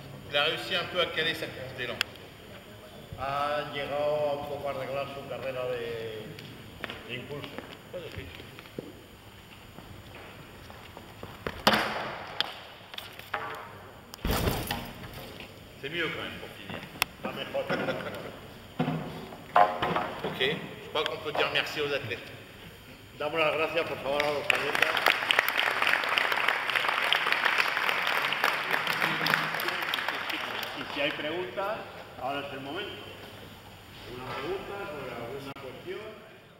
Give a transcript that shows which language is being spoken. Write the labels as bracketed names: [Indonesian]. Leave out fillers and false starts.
[French] Il a réussi un peu à caler sa course d'élan. [Spanish] A llegado un poco a arreglar su carrera de impulso. [French] C'est mieux quand même pour finir. Pas mes potes. Ok, je crois qu'on peut dire merci aux athlètes. [Spanish] Damos las gracias, por favor, a los athlètes. Y si hay preguntas, ahora es el momento. Una pregunta sobre alguna cuestión.